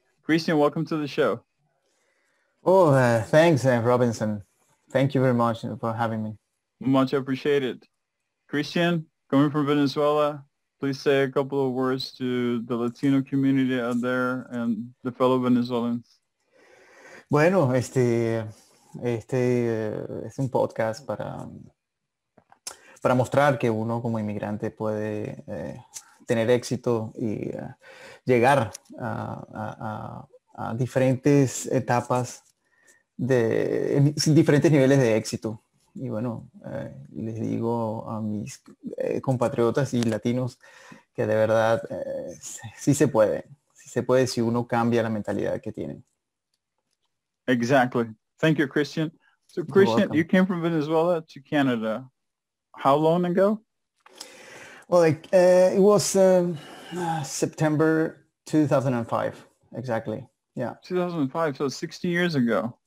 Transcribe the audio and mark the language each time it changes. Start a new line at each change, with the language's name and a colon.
English: Christian, welcome to the show. Oh, thanks, Robinson. Thank you very much for having me. Much appreciated. Christian, coming from Venezuela, please say a couple of words to the Latino community out there and the fellow Venezuelans.
Spanish: Bueno, es un podcast para mostrar que uno como inmigrante puede tener éxito y llegar a diferentes etapas sin diferentes niveles de éxito. Y bueno, les digo a mis compatriotas y latinos que de verdad sí se puede si uno cambia la mentalidad que tienen.
English: Exactly. Thank you, Christian. So Christian, you came from Venezuela to Canada. How long ago? Well, it was September 2005, exactly. Yeah. 2005, so 16 years ago.